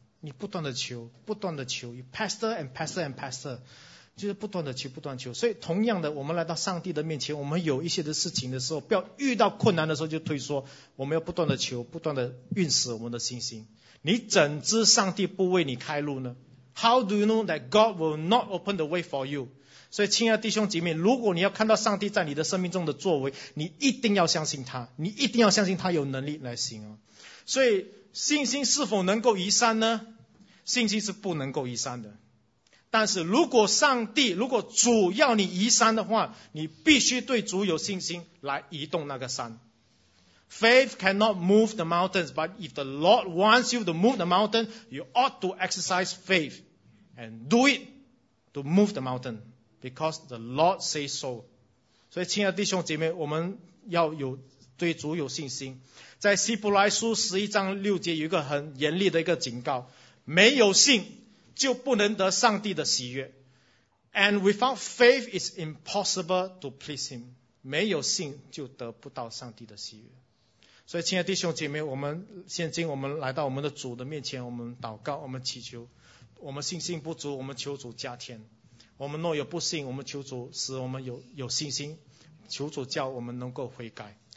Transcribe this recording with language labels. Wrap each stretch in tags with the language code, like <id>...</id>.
<zh>你不断的求，不断的求，</zh> <en>you pastor and pastor and pastor，</en> <zh>就是不断的求，不断求。所以同样的，我们来到上帝的面前，我们有一些的事情的时候，不要遇到困难的时候就退缩，我们要不断的求，不断的运使我们的信心。你怎知上帝不为你开路呢？</zh> <en>How do you know that God will not open the way for you?</en> <zh>所以亲爱的弟兄姐妹，如果你要看到上帝在你的生命中的作为，你一定要相信他，你一定要相信他有能力来行。所以信心是否能够移山呢？信心是不能够移山的。但是如果上帝，如果主要你移山的话，你必须对主有信心来移动那个山。</zh> <en>Faith cannot move the mountains, but if the Lord wants you to move the mountain, you ought to exercise faith and do it to move the mountain, because the Lord says so.</en> <zh>所以，亲爱的弟兄姐妹，我们要有对主有信心。在希伯来书11:6有一个很严厉的一个警告：没有信就不能得上帝的喜悦。</zh> <en>And without faith, it's impossible to please Him.</en> <zh>没有信就得不到上帝的喜悦。所以亲爱的弟兄姐妹，我们现今我们来到我们的主的面前，我们祷告，我们祈求，我们信心不足，我们求主加添，我们若有不信，我们求主使我们 有信心，求主叫我们能够悔改。</zh>